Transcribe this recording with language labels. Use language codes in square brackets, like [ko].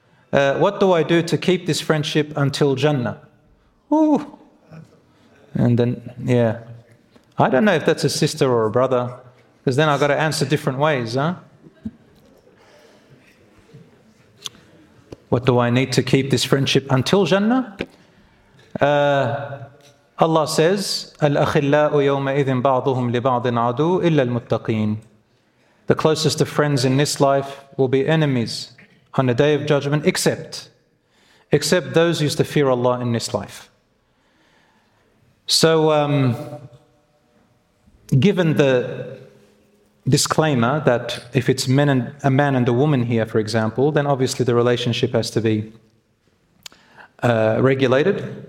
[en] What do I do to keep this friendship until Jannah? Ooh. And then, yeah. I don't know if that's a sister or a brother, because then I've got to answer different ways, huh? What do I need to keep this friendship until Jannah? [ar] Allah says, الْأَخِلَّاءُ يَوْمَئِذٍ بَعْضُهُمْ لِبَعْضٍ عَدُوٌ إِلَّا الْمُتَّقِينَ. [en] The closest of friends in this life will be enemies on the Day of Judgment, except those who used to fear Allah in this life. So, given the disclaimer that if it's men and a man and a woman here, for example, then obviously the relationship has to be regulated.